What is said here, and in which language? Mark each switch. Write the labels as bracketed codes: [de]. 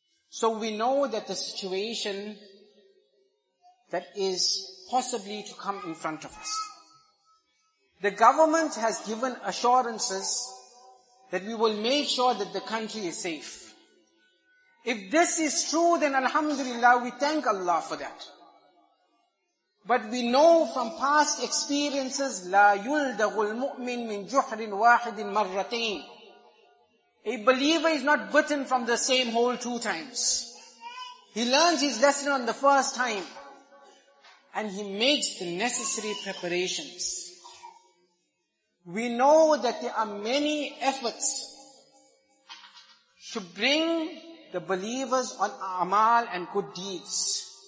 [en] So we know that the situation that is possibly to come in front of us, the government has given assurances that we will make sure that the country is safe. If this is true, then alhamdulillah, we thank Allah for that. But we know from past experiences, [ar] لا يلدغ المؤمن من جحر واحد مرتين. [en] A believer is not bitten from the same hole two times. He learns his lesson on the first time, and he makes the necessary preparations. We know that there are many efforts to bring the believers on amal and good deeds.